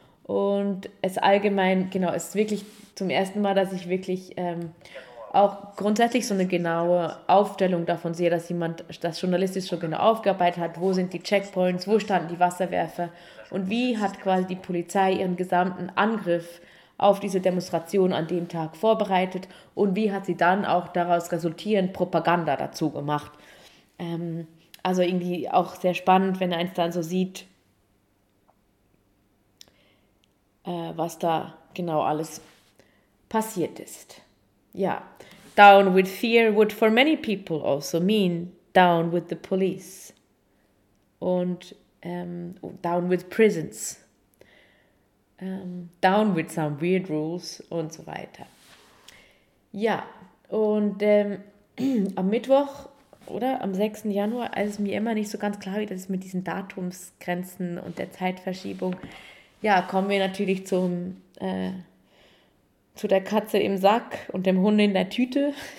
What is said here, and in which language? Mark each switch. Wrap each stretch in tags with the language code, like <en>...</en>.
<de>Und es allgemein, genau, es ist wirklich zum ersten Mal, dass ich wirklich auch grundsätzlich so eine genaue Aufstellung davon sehe, dass jemand das journalistisch schon genau aufgearbeitet hat, wo sind die Checkpoints, wo standen die Wasserwerfer und wie hat quasi die Polizei ihren gesamten Angriff auf diese Demonstration an dem Tag vorbereitet und wie hat sie dann auch daraus resultierend Propaganda dazu gemacht. Also irgendwie auch sehr spannend, wenn eins dann so sieht, was da genau alles passiert ist.</de> <en>Yeah, down with fear would for many people also mean down with the police and down with prisons, down with some weird rules</en> <de>und so weiter. Ja, und am Mittwoch oder am 6. Januar, als es mir immer nicht so ganz klar wird, das ist mit diesen Datumsgrenzen und der Zeitverschiebung, ja, kommen wir natürlich zu der Katze im Sack und dem Hund in der Tüte.</de>